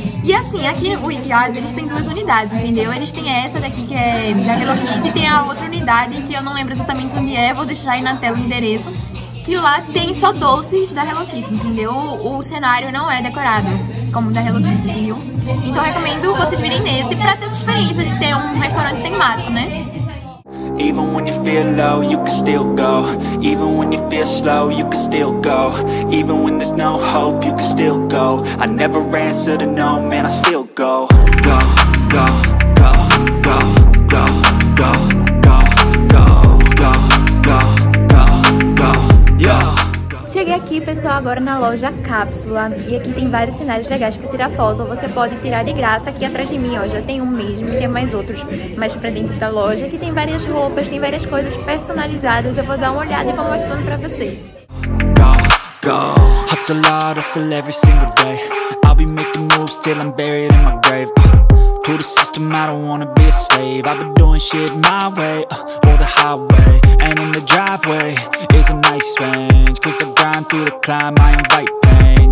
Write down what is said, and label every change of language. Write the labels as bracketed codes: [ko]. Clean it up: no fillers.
[pt] E assim, aqui o IPIAS, eles têm duas unidades, entendeu? Eles têm essa daqui, que é da Hello Kitty, e tem a outra unidade, que eu não lembro exatamente onde é, vou deixar aí na tela o endereço, que lá tem só doces da Hello Kitty, entendeu? O cenário não é decorado, como da Hello Kitty, viu? Então recomendo vocês virem nesse pra ter essa experiência de ter um restaurante temático, né? [en] Even when you feel low, you can still go. Even when you feel slow, you can still go. Even when there's no hope, you can still go. I never answer to no, man, I still go. Go, go, go, go, go, go, go, go, go, go, go, go, yo. [pt] Cheguei aqui, pessoal, agora na loja Cápsula. E aqui tem vários cenários legais pra tirar foto. Você pode tirar de graça aqui atrás de mim, ó. Já tem um mesmo e tem mais outros mais pra dentro da loja. Aqui tem várias roupas, tem várias coisas personalizadas. Eu vou dar uma olhada e vou mostrando pra vocês. [en] Go, go. Hustle hard, hustle every single day. I'll be making moves till I'm buried in my grave. To the system, I don't wanna be a slave. I've been doing shit my way, or the highway. And in the driveway is a nice range. Cause I grind through the climb, I invite pain.